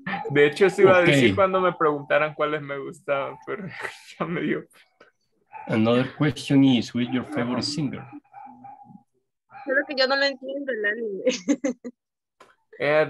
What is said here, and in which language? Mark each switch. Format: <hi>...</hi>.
<es>De hecho, eso iba a decir cuando me preguntaran cuáles me gustaban, pero ya me dio.</es> <en>Another question is, who is your favorite singer?</en> <es>Creo que yo no lo entiendo el anime.</es>